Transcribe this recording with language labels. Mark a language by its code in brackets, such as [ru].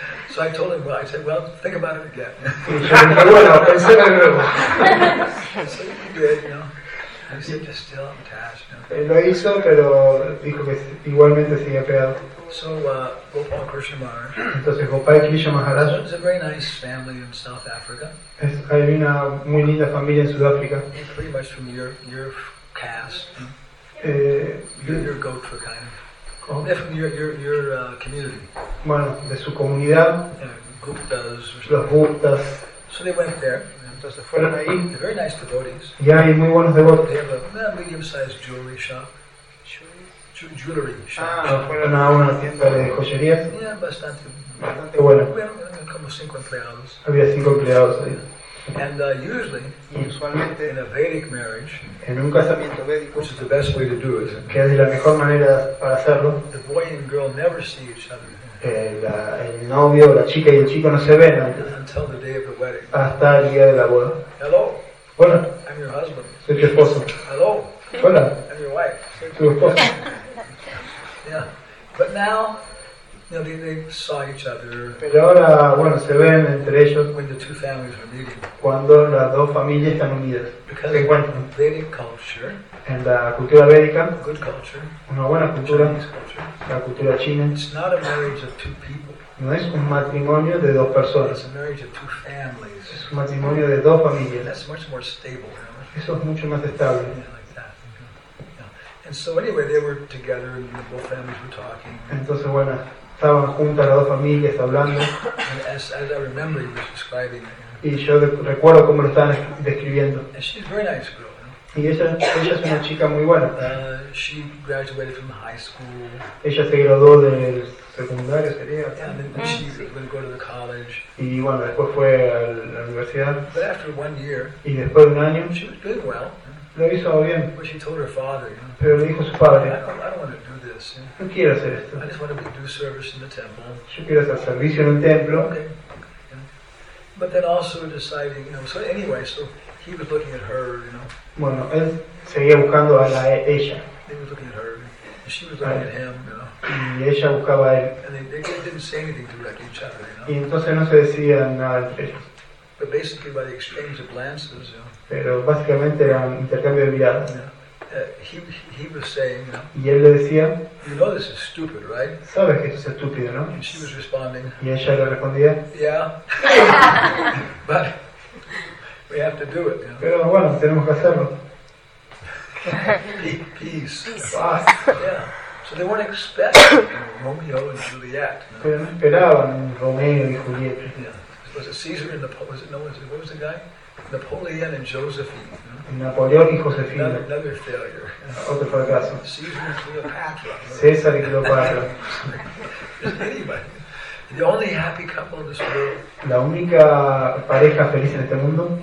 [en] So I told him, well, I said, well, think about it again. [es] Bueno, pensé de nuevo. [en] So he did, you know. I said, just still attached. [es] Lo hizo, pero dijo que igualmente sigue pegado. [en] So Gopal Krishna Maharaj. [es] Entonces Gopal Krishna Maharaj. [en] It's a very nice family in South Africa. [es] Hay una muy linda familia en Sudáfrica. [en] He's pretty much from your caste. Your Gopa kind of. Oh. From your community. [es] Bueno, de su comunidad. [en] Guptas. [es] Los Guptas. [en] So they went there. [es] Entonces fueron ahí. [en] They're very nice devotees. [es] Y hay muy buenos devotos. [en] They have a medium-sized jewelry shop. Jewelry shop. [es] Ah, fueron a una tienda de joyerías. Yeah, bastante. Bastante buena. Bueno, como cinco empleados. Había cinco empleados ahí. [en] And usually, [es] usualmente, [en] in a Vedic marriage, [es] en un casamiento védico, [en] which is the best way to do it, [es] que es la mejor manera para hacerlo, [en] the boy and girl never see each other. [es] El novio, la chica y el chico no se ven antes. [en] Until the day of the wedding. [es] Hasta el día de la boda. [en] Hello. [es] Hola. [en] I'm your husband. [es] Soy tu esposo. [en] Hello. [es] Hola. [en] I'm your wife. Yeah, but now, you know, they saw each other. [es] Pero ahora, bueno, se ven entre ellos. [en] When the two families were meeting. [es] Cuando las dos familias están unidas. [en] Because in Vedic culture. [es] En la cultura védica. [en] Good culture. [es] Una buena cultura. [en] Chinese culture. [es] La cultura china. [en] It's not a marriage of two people. [es] No es un matrimonio de dos personas. [en] It's a marriage of two families. [es] Es un matrimonio de dos familias. [en] That's much more stable. [es] Eso es mucho más estable. [en] Yeah. And so anyway, they were together, and the both families were talking. [es] Entonces bueno, estaban juntas las dos familias hablando. [en] And as I remember, he was describing it. [es] Y yo recuerdo cómo lo estaban describiendo. [en] And she's a very nice girl. [es] Y ella es una chica muy buena. [en] She graduated from high school. [es] Ella se graduó del secundario, sería. [en] Yeah, and then she went to the college. [es] Y bueno, después fue a la universidad. [en] But after one year. [es] Y después de un año. [en] She was doing well. [es] Lo hizo bien. [en] But she told her father, you know, [es] pero le dijo a su padre, [en] I don't want to do this, yeah. [es] No quiero hacer esto. [en] I just want to do service in the temple. [es] Yo quiero hacer servicio en un templo. [en] Okay. Yeah. But then also deciding, you know, so anyway, so he was looking at her, you know. [es] Bueno, él seguía buscando a la ella. [en] He was looking at her, and she was looking at him, you know. [es] Y ella buscaba a él. [en] And they didn't say anything to each other, you know. [es] Y entonces no se decían nada entre ellos. [en] But basically by the exchange of glances, you know. [es] Pero básicamente era un intercambio de miradas. [en] Yeah. He was saying, you know, [es] y él le decía, [en] you know this is stupid, right? [es] Sabes que esto es estúpido, ¿no? [en] And she was responding, [es] y ella le respondía, [en] yeah. But we have to do it, you know. [es] Pero bueno, tenemos que hacerlo. [en] Peace. [es] Paz. [en] Yeah. So they weren't expecting, you know, Romeo and Juliet. [es] Pero no esperaban Romeo y Julieta. [en] Yeah. Was it Caesar and Napoleon? Was it no one? What was the guy? Napoleon and Josephine. [es] Napoleón y Josefina. [en] Another failure. [es] Otro fracaso. [en] Caesar and Cleopatra. [es] César y Cleopatra. [en] Anybody. The only happy couple in this world. [es] La única pareja feliz en este mundo.